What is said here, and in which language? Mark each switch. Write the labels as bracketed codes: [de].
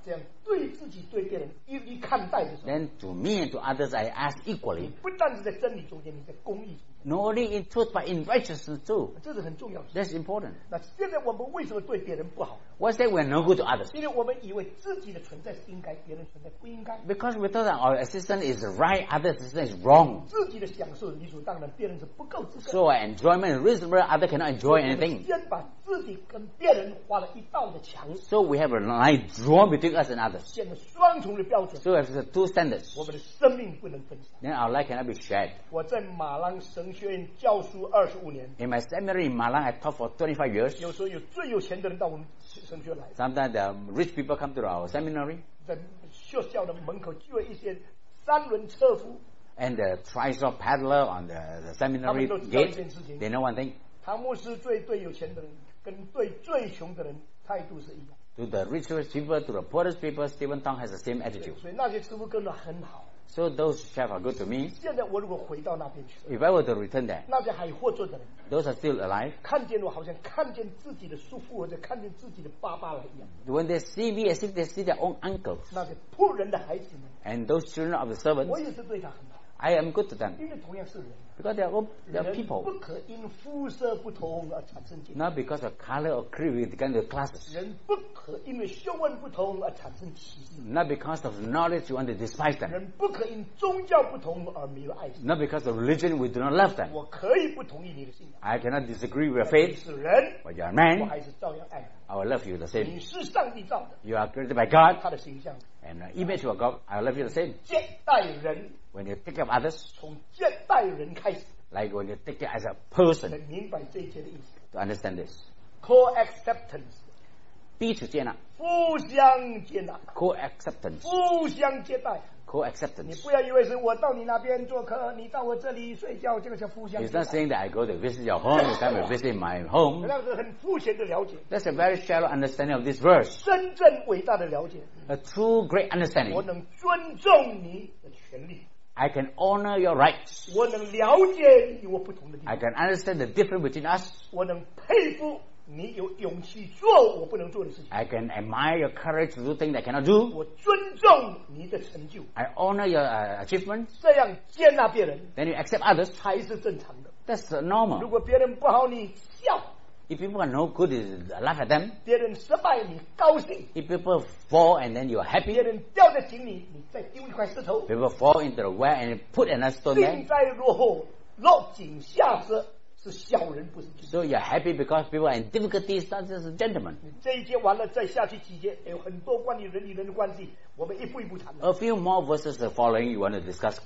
[zh] 这样对自己对别人一一看待的时候。 [en] Then to me and to others, I ask equally. [zh] 你不但是在真理中间，你在公义中。 [en] Not only in truth but in righteousness too. [zh] 这是很重要的。 [en] That's important. [zh] 那现在我们为什么对别人不好？ [en] What's that we are no good to others? [zh] 因为我们以为自己的存在是应该，别人存在不应该。 [en] Because we thought that our existence is right, other existence is wrong. [zh] 自己的享受理所当然，别人是不够资格。 [en] So enjoyment is reasonable, other cannot enjoy anything. [zh] 先把自己跟别人画了一道的墙。 [en] So we have a line drawn between us and others. [zh] 建了双重的标准。 [en] So we have two standards. [zh] 我们的生命不能分散。 [en] Then our life cannot be shared. [zh] 我在马朗神学院教书二十五年。 [en] In my seminary in Malang, I taught for 25 years. [zh] 有时候有最有钱的人到我们神学来。 [en] Sometimes the rich people come to our seminary. [zh] 在学校的门口就有一些三轮车夫。 [en] And the tricycle peddler on the seminary gate. They know one thing. [zh] 唐牧师最对有钱的人跟对最穷的人态度是一样。 [en] To the richest people, to the poorest people, Stephen Tong has the same attitude. [zh] 所以那些师傅跟得很好。 [en] So those chefs are good to me. [zh] 现在我如果回到那边去。 [en] If I were to return there. [zh] 那些还活着的人。 [en] Those are still alive. [zh] 看见我好像看见自己的叔父或者看见自己的爸爸了一样。 [en] When they see me as if they see their own uncles. [zh] 那些仆人的孩子们。 [en] And those children of the servants. [zh] 我也是对他很好。 [en] I am good to them. [zh] 因为同样是人。 [en] Because they are people. [zh] 人不可因肤色不同而产生歧 [en] 视。Not because of color or creed we begin the classes. [zh] 人不可因为学问不同而产生歧视。 [en] Not because of knowledge you want to despise them. [zh] 人不可因宗教不同而没有爱心。 [en] Not because of religion we do not love them. [zh] 我可以不同意你的信仰。 [en] I cannot disagree with your faith. [zh] 你是人。 [en] But you are man. [zh] 我还是照样爱。 [en] I will love you the same. [zh] 你是上帝造的。 [en] You are created by God. [zh] 他的形象。 [en] And image of God, I will love you the same. [zh] 接待人。 [en] When you take care of others, [zh] 从接待人开始。 [en] Like when you take care as a person, [zh] 能明白这一切的意思。 [en] To understand this, co-acceptance, [zh] 彼此接纳，互相接纳 [en] ，co-acceptance, [zh] 互相接待 [en] ，co-acceptance。 [zh] 你不要以为是我到你那边做客，你到我这里睡觉，这个叫互相接待。 [en] It's not saying that I go to visit your home, you come to visit my home. [zh] 那是很肤浅的了解。 [en] That's a very shallow understanding of this verse. [zh] 真正伟大的了解 [en] ，a true great understanding. [zh] 我能尊重你的权利。 [en] I can honor your rights. [zh] 我能了解你我不同的地方。 [en] I can understand the difference between us. [zh] 我能佩服你有勇气做我不能做的事情。 [en] I can admire your courage to do things I cannot do. [zh] 我尊重你的成就。 [en] I honor your achievements. [zh] 这样接纳别人。 [en] Then you accept others. [zh] 才是正常的。 [en] That's normal. [zh] 如果别人不好你笑。 [en] If people are no good, laugh at them. [zh] 别人失败你高兴。 [en] If people fall and then you are happy. [zh] 别人掉在井里你再丢一块石头。 [en] People fall into the well and put another stone there. [zh] 幸灾乐祸落井下石是小人不是君子。 [en] So you are happy because people are in difficulties, not just gentlemen. [zh] 这一节完了再下去几节有很多关于人与人的关系我们一步一步谈。 [en] A few more verses the following you want to discuss clearly.